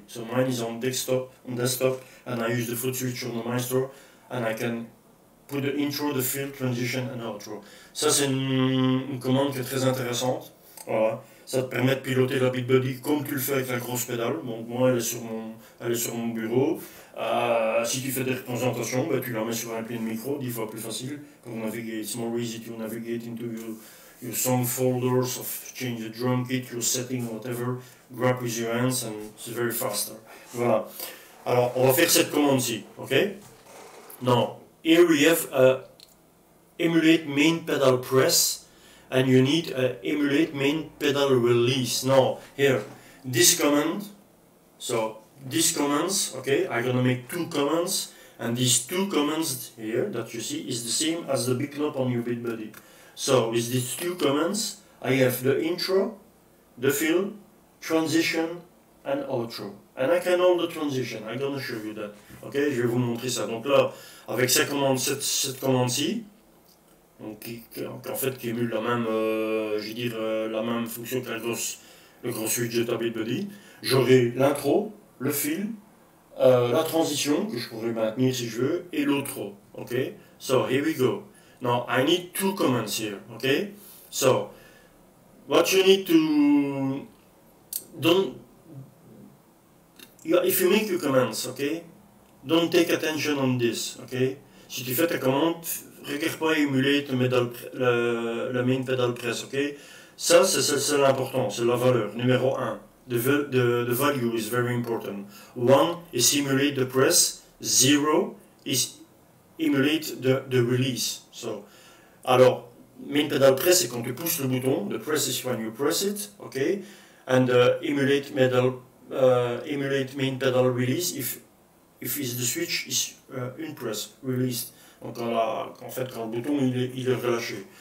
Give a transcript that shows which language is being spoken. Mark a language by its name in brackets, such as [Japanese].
[English] So, mine is on desktop, and I use the foot switch on the Maestro, and I can put the intro, the fill, transition and outro. [French] Ça c'est une commande qui est très intéressante. Voilà. Ça te permet de piloter la BitBuddy comme tu le fais avec la grosse pédale. Bon, moi elle est sur mon bureau. Si tu fais des représentations, bah, tu la mets sur un pied de micro, 10 fois plus facile pour naviguer. [English] It's more easy to navigate into your song folders, of change the drum kit, your setting, whatever. Grab with your hands and it's very faster. Voilà. [French] Alors on va faire cette commande-ci, ok? Non. [English] Here we have a emulate main pedal press, and you need a emulate main pedal release. Now, here, this command, so these commands, okay, I'm gonna make two commands, and these two commands here that you see is the same as the big knob on your BitBuddy. So, with these two commands, I have the intro, the fill, transition, and outro. And I can hold the transition, I'm gonna show you that. [French] Ok, je vais vous montrer ça. Donc là, avec cette commande-ci, qui émule la même, la même fonction que le gros switch de ta BitBuddy, j'aurai l'intro, le fil, la transition, que je pourrais maintenir si je veux, et l'outro. [English] Ok, so here we go. Now, I need two commands here, ok? So, what you need to... Yeah, if you make your commands, ok? Don't take attention on this, ok? [French] Si tu fais ta commande, regarde pas émuler le main pedal press, ok? Ça, c'est l'important, c'est la valeur, numéro 1, [English] the value is very important. 1 is simulate the press, 0 is emulate the release. So, alors, main pedal press is [French] quand tu pousses le bouton, [English] the press is when you press it, okay? And emulate main pedal release if is the switch is unpress, released. [French] Donc en fait, quand le bouton il est relâché.